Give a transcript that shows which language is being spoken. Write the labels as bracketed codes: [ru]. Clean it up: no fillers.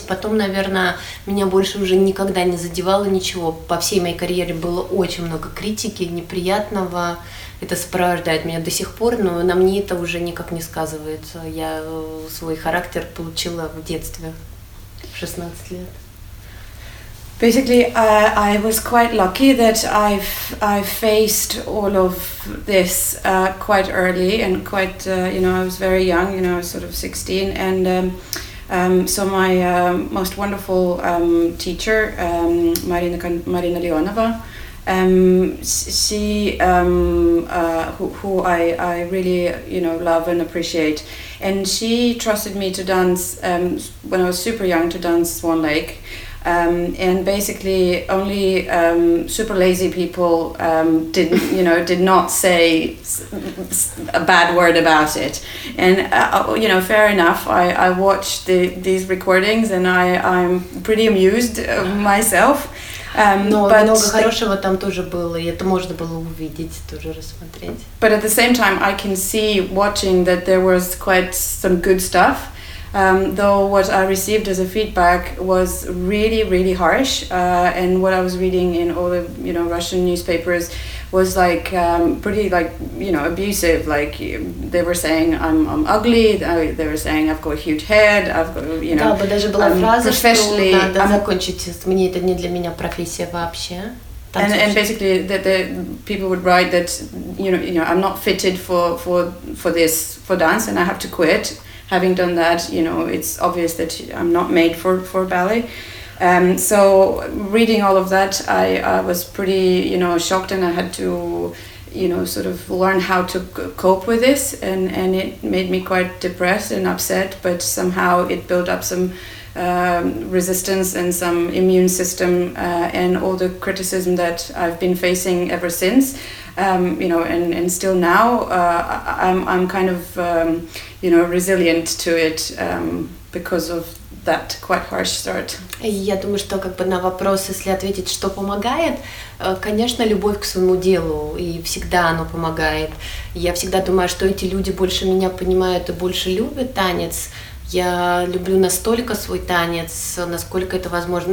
[ru] Потом, наверное, меня больше уже никогда не задевало ничего. По всей моей карьере было очень много критики, неприятного. Это сопровождает меня до сих пор, но на мне это уже никак не сказывается. Я свой характер получила в детстве, в 16 лет. [en] Basically, I was quite lucky that I've faced all of this quite early and quite, I was very young, I was sort of 16. And so my most wonderful teacher, Marina Leonova, she who I really love and appreciate, and she trusted me to dance when I was super young to dance Swan Lake, and basically only super lazy people did not say a bad word about it, and fair enough. I watched these recordings and I'm pretty amused myself. [ru] Но but много хорошего там тоже было, и это можно было увидеть, тоже рассмотреть. [en] But at the same time, I can see watching that there was quite some good stuff. Though what I received as a feedback was really, really harsh, and what I was reading in all the Russian newspapers was like pretty like abusive. Like they were saying I'm ugly. They were saying I've got a huge head. I've got [ru] Да, бы даже была фраза, что надо закончить. Мне это не для меня профессия вообще. [en] And basically the people would write that I'm not fitted for dance and I have to quit. Having done that, it's obvious that I'm not made for ballet. So reading all of that, I was pretty, shocked, and I had to, sort of learn how to cope with this, and it made me quite depressed and upset, but somehow it built up some resistance and some immune system, and all the criticism that I've been facing ever since. And still now, I'm kind of, resilient to it because of that quite harsh start. [ru] Я думаю, что как бы на вопрос, если ответить, что помогает, конечно, любовь к своему делу, и всегда оно помогает. Я всегда думаю, что эти люди больше меня понимают и больше любят танец. Я люблю настолько свой танец, насколько это возможно.